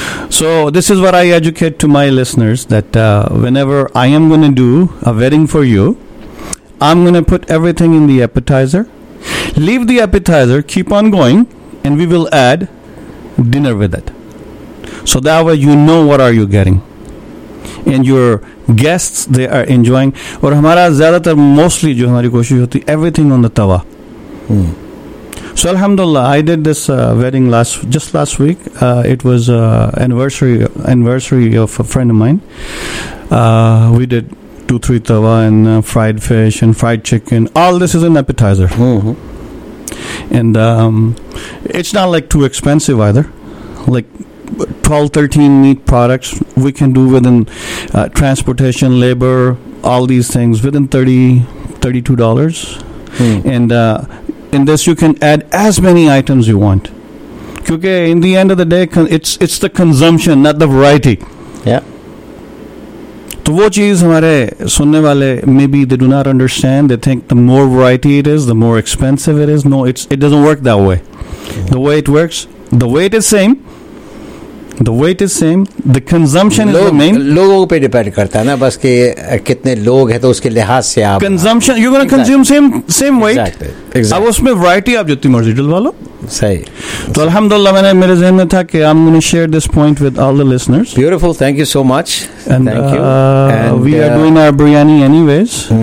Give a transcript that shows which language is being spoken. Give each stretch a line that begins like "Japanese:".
English: So this is what I educate to my listeners, that whenever I am going to do a wedding for you, I'm going to put everything in the appetizer, leave the appetizer, keep on going, and we will add dinner with it, so that way you know what are you getting. And your guests they are enjoying.
Urdu: اور ہمارا زیادہ تر mostly جو ہماری کوشش ہوتی ہے
English: Everything on the tawa. So الحمد للہ I did this wedding last week. It was anniversary of a friend mine. We did 2-3 tawa and fried fish and fried chicken. All this is an appetiser and it's not like too expensive either. Like 12-13 meat products we can do with in transportation labour all these things with in $30-$32 and in this you can add as many items you want. کیونکہ in the end of the day it's the consumption not the variety.
Urdu: تو وہ چیز ہمارے سننے والے
English: May be they do not understand. They think the more variety it is the more expensive it is. No it doesn't work the way. The way it works the way it is same. The weight is same. The consumption is the main.
Urdu: لوگوں پہ depend کرتا ہے نا بس کہ کتنے لوگ ہیں تو اس کے لحاظ سے آپ
English: Consumption you gonna consume same weight.
Urdu: اب اس میں ورائٹی آپ جتنی مرضی ڈلوا لو. صحیح. تو الحمد للہ میں نے میرے ذہن میں تھا کہ
English: I am gonna share this point with all the listeners. Beautiful. Thank you so much. And we are doing our biryani anyways.